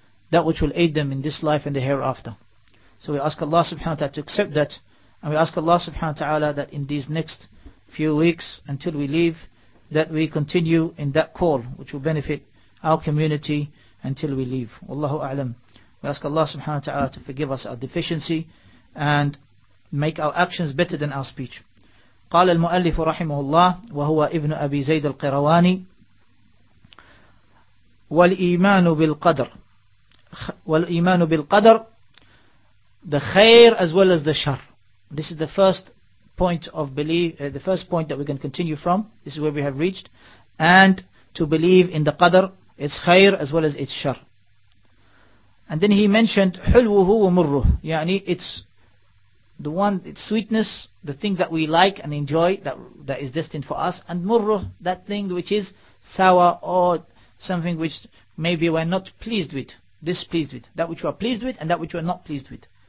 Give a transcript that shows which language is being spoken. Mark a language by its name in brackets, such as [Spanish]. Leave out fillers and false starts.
[English] that which will aid them in this life and the hereafter. So we ask Allah subhanahu wa ta'ala to accept that, and we ask Allah subhanahu wa ta'ala that in these next few weeks until we leave, that we continue in that call which will benefit our community until we leave. Wallahu a'lam. We ask Allah subhanahu wa ta'ala to forgive us our deficiency and make our actions better than our speech. [Arabic] قال المؤلف رحمه الله وهو ابن أبي زيد القرواني والإيمان بالقدر والإيمان بالقدر [English] the خير as well as the شر. This is the first point of belief, the first point that we can continue from. This is where we have reached, and to believe in the قدر, its خير as well as its شر. And then he mentioned حلوه ومره, يعني it's the one, its sweetness, the thing that we like and enjoy, that is destined for us, and murruh, that thing which is sour, or something which maybe we're not pleased with, displeased with, that which we are pleased with and that which we are not pleased with.